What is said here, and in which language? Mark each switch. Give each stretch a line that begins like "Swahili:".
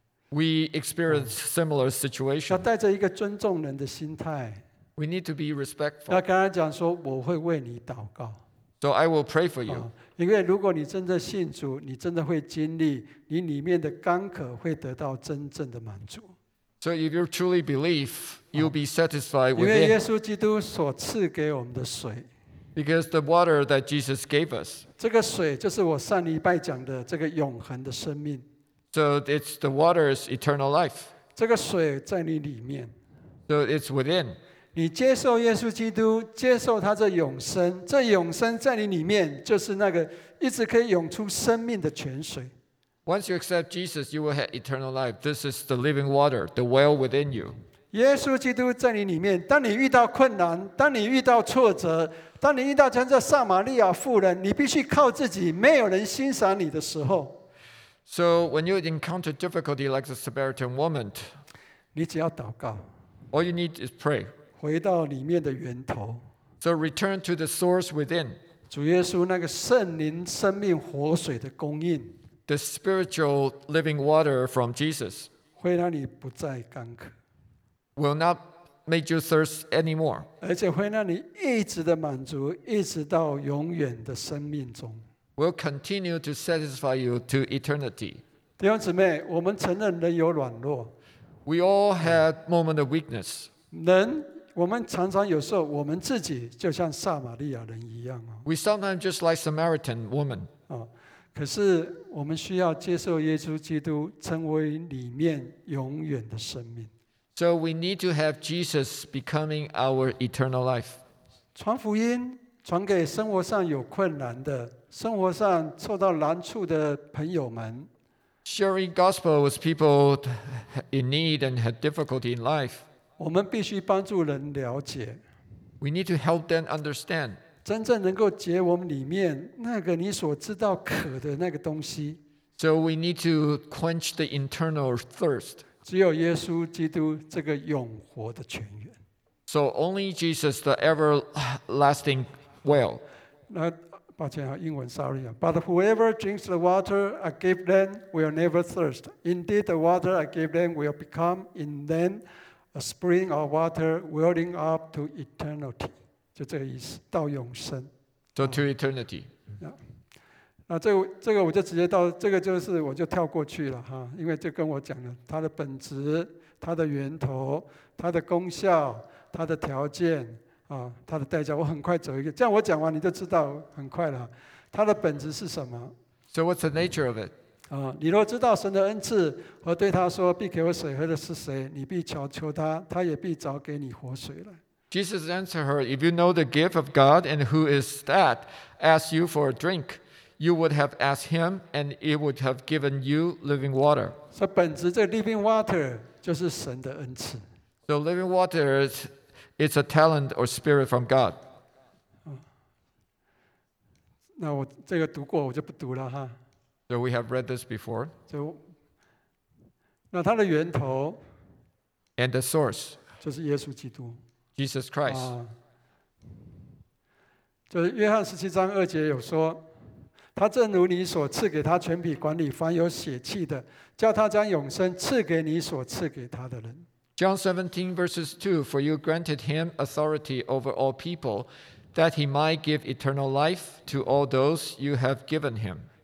English: We experience similar situation。
Chinese: 要带着一个尊重人的心态。
English: We need to be respectful.
Chinese: 要跟他讲说，我会为你祷告。
English: So I will pray for you.
Chinese: 因为如果你真的信主，你真的会经历，你里面的干渴会得到真正的满足。
English: So if you truly believe, you'll be satisfied with it.
Chinese: 因为耶稣基督所赐给我们的水。
English: Because the water that Jesus gave us.
Chinese: 这个水就是我上礼拜讲的这个永恒的生命。
English: So it's the water's eternal life.
Chinese: 这个水在你里面。
English: So it's within.
Chinese: 你接受耶稣基督，接受他这永生，这永生在你里面，就是那个一直可以涌出生命的泉水。
English: Once you accept Jesus, you will have eternal life. This is the living water, the well within you.
Chinese: 耶稣基督在你里面，当你遇到困难，当你遇到挫折，当你遇到像这撒玛利亚妇人，你必须靠自己，没有人欣赏你的时候。
English: So when you encounter difficulty like the Samaritan woman,
Chinese: 你只要祷告。
English: All you need is pray.
Chinese: 回到里面的源头。
English: So return to the source within.
Chinese: 主耶稣那个圣灵生命活水的供应。
English: the spiritual living water from Jesus will not make you thirst anymore. Will continue to satisfy you to eternity.
Chinese: 弟兄姊妹，我们承认人有软弱。
English: We all had moment of weakness.
Chinese: 人，我们常常有时候我们自己就像撒玛利亚人一样。
English: We sometimes just like Samaritan woman.
Chinese: 可是我们需要接受耶稣基督，成为里面永远的生命。
English: So we need to have Jesus becoming our eternal life.
Chinese: 传福音，传给生活上有困难的、生活上受到难处的朋友们。
English: Sharing gospel with people in need and had difficulty in life.
Chinese: 我们必须帮助人了解。
English: We need to help them understand.
Chinese: 真正能够解我们里面那个你所知道渴的那个东西。
English: So we need to quench the internal thirst.
Chinese: 只有耶稣基督这个永活的泉源。
English: So only Jesus, the everlasting well.
Chinese: 那抱歉啊，英文 sorry 啊。
English: But whoever drinks the water I give them will never thirst. Indeed, the water I give them will become in them a spring of water welling up to eternity.
Chinese: 就这个意思，到永生。
English: So to eternity.
Chinese: 那这个我就直接到这个就是我就跳过去了哈，因为就跟我讲了它的本质、它的源头、它的功效、它的条件。他的代价，我很快走一个，这样我讲完你就知道很快了。他的本质是什么
English: ？So what's the nature of it？
Chinese: 你若知道神的恩赐和对他说必给我水喝的是谁，你必求求他，他也必找给你活水来。
English: Jesus answered her, "If you know the gift of God and who is that asks you for a drink, you would have asked him, and it would have given you living water."
Chinese: 所以本质这个
English: living water
Chinese: 就是神的恩赐。
English: So living water is. It's a talent or spirit from God.
Chinese: 那我这个读过，我就不读了哈。
English: So we have read this before.
Chinese: 就那它的源头。
English: And the source.
Chinese: 就是耶稣基督。
English: Jesus Christ.
Chinese: 就是约翰十七章二节有说，他正如你所赐给他权柄管理凡有血气的，叫他将永生赐给你所赐给他的人。
English: John 17 verses 2, For you granted him authority over all people, that he might give eternal life to all those you have given him.